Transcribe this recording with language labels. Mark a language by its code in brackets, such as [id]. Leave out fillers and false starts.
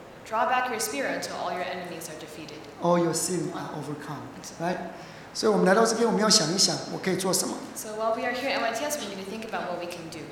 [en] Draw back your spirit until all your enemies are defeated. All your sins are overcome, right? [zh] So, 我们来到这边，我们要想一想，我可以做什么。 [en] So, while we are here at MITS, we need to think about what we can do.